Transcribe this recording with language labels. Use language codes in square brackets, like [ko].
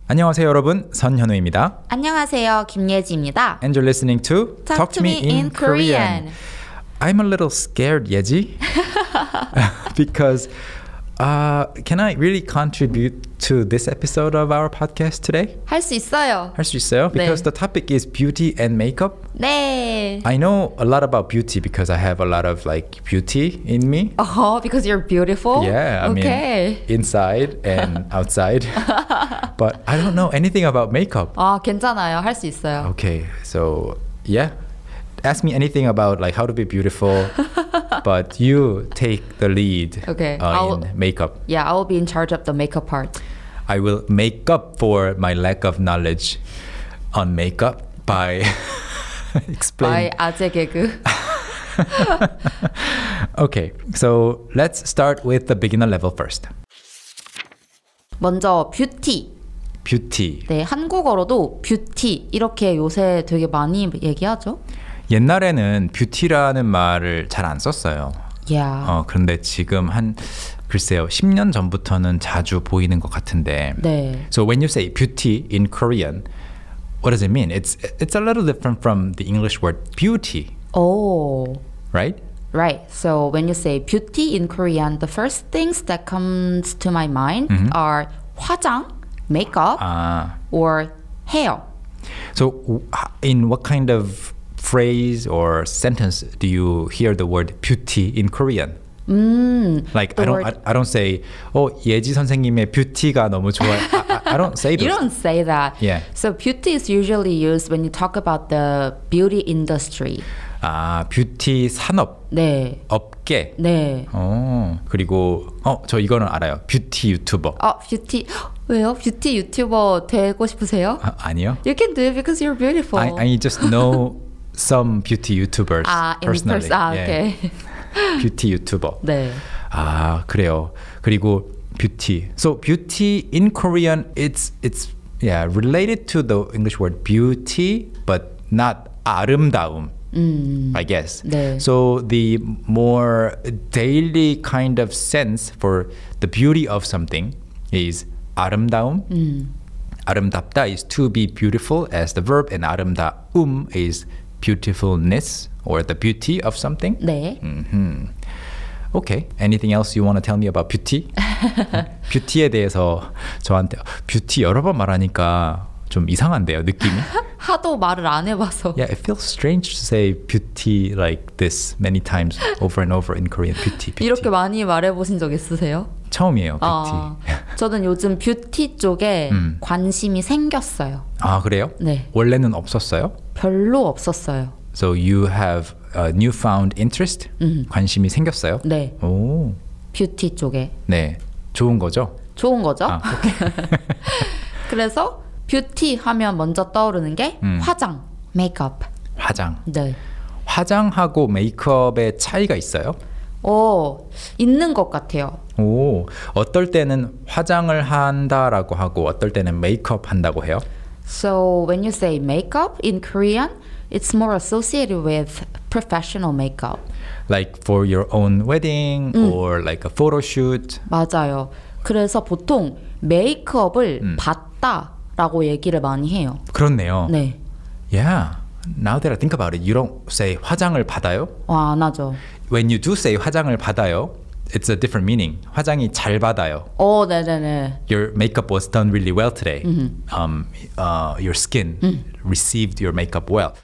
[ko] 안녕하세요 여러분, 선현우입니다. 안녕하세요, 김예지입니다. [en] And you're listening to Talk to me in Korean. I'm a little scared, Yeji. Because can I really contribute to this episode of our podcast today? [ko] 할 수 있어요. 할 수 있어요? [en] Because 네. the topic is beauty and makeup. [ko] 네. [en] I know a lot about beauty because I have a lot of like beauty in me. Oh, uh-huh, because you're beautiful? Yeah, I okay. mean, inside and outside. But I don't know anything about makeup. [ko] 아, 괜찮아요. 할 수 있어요. [en] Okay, so yeah. Ask me anything about like how to be beautiful, but you take the lead okay, in makeup. Yeah, I will be in charge of the makeup part. I will make up for my lack of knowledge on makeup by explaining. [ko] By 아재 개그. [en] Okay, so let's start with the beginner level first. [ko] 먼저 뷰티. 뷰티. 네, 한국어로도 뷰티 이렇게 요새 되게 많이 얘기하죠. 옛날에는 뷰티라는 말을 잘 안 썼어요. [en] Yeah. [ko] 그런데 지금 한 글쎄요 10년 전부터는 자주 보이는 것 같은데. 네. [en] So when you say beauty in Korean, what does it mean? It's a little different from the English word beauty. Oh. Right? Right. So when you say beauty in Korean, the first things that comes to my mind mm-hmm. are 화장, makeup, [ko] 아. [en] or hair. So in what kind of phrase or sentence do you hear the word beauty in Korean? Like I don't say, oh, [ko] 예지 선생님의 뷰티가 너무 좋아. [en] I don't say this. You don't say that. Yeah. So beauty is usually used when you talk about the beauty industry. [ko] 아, 뷰티 산업. 네. 업계. 네. 어, 그리고 저 이거는 알아요. 뷰티 유튜버. 뷰티 왜요? 뷰티 유튜버 되고 싶으세요? 아, 아니요. [en] You can do it because you're beautiful. I just know some beauty YouTubers personally. Okay. beauty YouTuber. [ko] 네. 아, 그래요. 그리고 beauty. [en] So beauty in Korean, it's yeah, related to the English word beauty, but not 아름다움. I guess. [ko] 네. [en] So the more daily kind of sense for the beauty of something is 아름다움. 아름답다 is to be beautiful as the verb, and 아름다움 is beautifulness or the beauty of something. [ko] 네. [en] Mm-hmm. Okay. Anything else you want to tell me about beauty? [ko] 뷰티에 대해서 저한테 뷰티 여러 번 말하니까 좀 이상한데요, 느낌이. 하도 말을 안 해봐서. [en] Yeah, it feels strange to say beauty like this many times over and over in Korean. Beauty, beauty. [ko] 이렇게 많이 말해보신 적 있으세요? 처음이에요, 뷰티. 저는 요즘 뷰티 쪽에 관심이 생겼어요. 아, 그래요? 네. 원래는 없었어요? 별로 없었어요. [en] So you have a newfound interest? [ko] 관심이 생겼어요? 네. 오. 뷰티 쪽에. 네. 좋은 거죠? 좋은 거죠. 아, okay. 그래서 뷰티 하면 먼저 떠오르는 게 화장, 메이크업. 화장. 네. 화장하고 메이크업의 차이가 있어요? 있는 것 같아요. 오, 어떨 때는 화장을 한다라고 하고 어떨 때는 메이크업 한다고 해요? [en] So when you say makeup in Korean, it's more associated with professional makeup. Like for your own wedding or like a photo shoot. [ko] 맞아요. 그래서 보통 메이크업을 봤다라고 얘기를 많이 해요. 그렇네요. 네. [en] Yeah. Now that I think about it, you don't say [ko] 화장을 받아요? 와, 안 하죠. [en] When you do say [ko] 화장을 받아요, [en] it's a different meaning. [ko] 화장이 잘 받아요. 오, 네네네. [en] Your makeup was done really well today. Mm-hmm. Your skin received your makeup well.